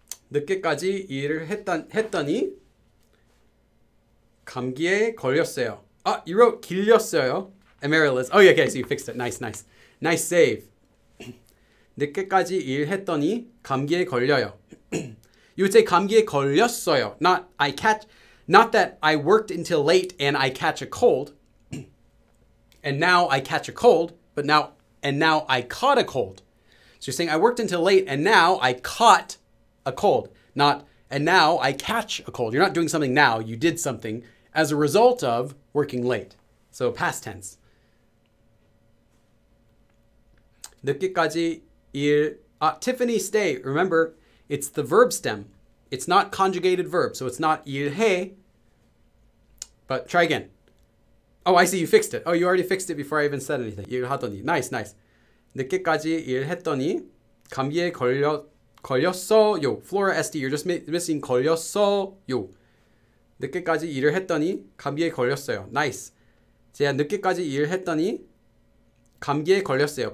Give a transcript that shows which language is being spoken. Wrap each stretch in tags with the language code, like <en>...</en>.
<ko>늦게까지 일을 했더니 감기에 걸렸어요.</ko> <en>Ah, you wrote 길렸어요. Amaryllis. Oh, yeah, okay, so you fixed it. Nice, nice. Nice save.</en> <ko>늦게까지 일했더니 감기에 걸려요.</ko> <en>You would say</en> <ko>감기에 걸렸어요.</ko> <en>Not I catch, not that I worked until late and I catch a cold. And now I catch a cold, but now, and now I caught a cold. So you're saying I worked until late and now I caught a cold. Not, and now I catch a cold. You're not doing something now. You did something as a result of working late. So past tense.</en> <ko>늦게까지 일,</ko> <en>Tiffany, stay. Remember, it's the verb stem. It's not conjugated verb. So it's not 일해. But try again. Oh, I see. You fixed it. Oh, you already fixed it before I even said anything. 일하더니. Nice, nice.</en> <ko>늦게까지 일했더니 감기에 걸렸어요.</ko> <en>Flora SD, you're just missing 걸렸어요.</en> <ko>늦게까지 일을 했더니 감기에 걸렸어요.</ko> <en>Nice.</en> <ko>제가 늦게까지 일했더니 감기에 걸렸어요.</ko>